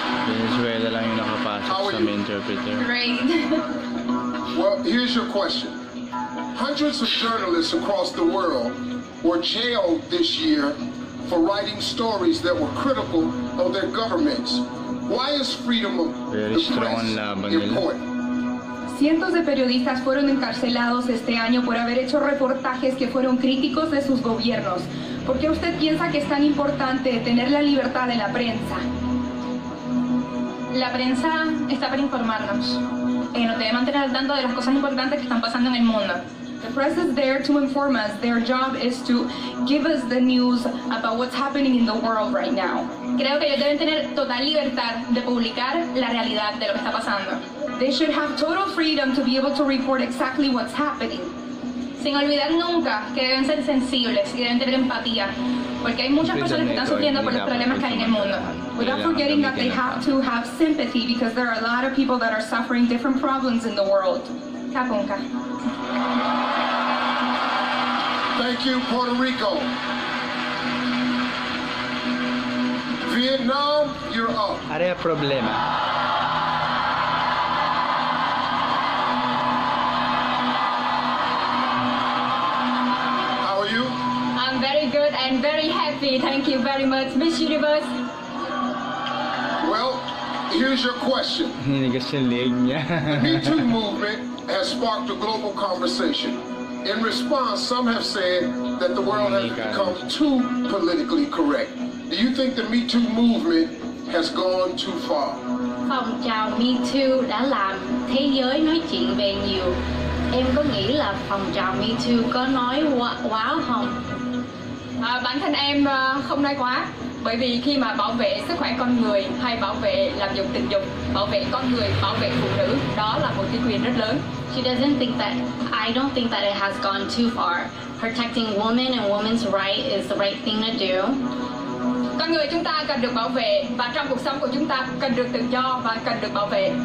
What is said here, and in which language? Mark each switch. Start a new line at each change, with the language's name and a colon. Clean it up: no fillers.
Filipino: Venezuela lang yung nakapasok sa
English: main interpreter. Well, here's your question. Hundreds of journalists across the world were jailed this year for writing stories that were critical of their governments. Why is freedom of the press important?
Spanish: Cientos de periodistas fueron encarcelados este año por haber hecho reportajes que fueron críticos de sus gobiernos. ¿Por qué usted piensa que es tan importante tener la libertad de la prensa? La prensa está para informarnos. Nos debe mantener al tanto de las cosas importantes que están pasando en el mundo.
English: The press is there to inform us. Their job is to give us the news about what's happening in the world right now.
Spanish: Creo que ellos deben tener total libertad de publicar la realidad de lo que está pasando.
English: They should have total freedom to be able to report exactly what's happening.
Spanish: Sin olvidar nunca que deben ser sensibles y deben tener empatía, porque hay muchas personas que están sufriendo por los problemas que hay en el mundo.
English: Without forgetting that they have to have sympathy because there are a lot of people that are suffering different problems in the world. Kapunka. Thank you, Puerto Rico. Vietnam, you're up. Are a problema. I'm very happy. Thank you very much, Miss Universe. Well, here's your question. The Me Too movement has sparked a global conversation. In response, some have said that the world has become too politically correct. Do you think the Me Too movement has gone too far?
Vietnamese: Phong trào Me Too đã làm thế giới nói chuyện về nhiều. Em có nghĩ là phong trào Me Too có nói quá không? Bản thân em không nói quá. Bởi vì khi mà bảo vệ sức khỏe con người hay bảo vệ làm dục tình dục, bảo vệ con người, bảo vệ phụ nữ, đó là một cái quyền rất lớn.
English: She doesn't think that, I don't think that it has gone too far. Protecting women and women's right is the right thing to do.
Vietnamese: Con người chúng ta cần được bảo vệ và trong cuộc sống của chúng ta cần được tự do và cần được bảo vệ.